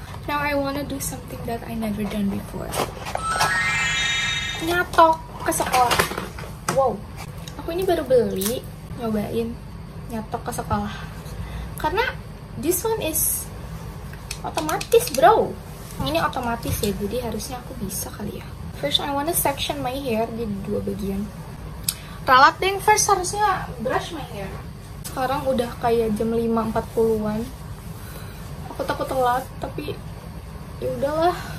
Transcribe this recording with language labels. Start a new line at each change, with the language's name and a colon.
English: Now I wanna do something that I never done before.
Indonesian: Nyatok ke sekolah. Wow. Aku ini baru beli, nyobain nyatok ke sekolah.
English: Karena this one is otomatis, bro.
Indonesian: Ini otomatis ya, jadi harusnya aku bisa kali ya.
English: First, I wanna section my hair
Indonesian: di dua bagian. Ralat deh,
English: first harusnya brush my hair.
Indonesian: Sekarang udah kayak jam 5.40-an. Aku takut telat, tapi ya udahlah.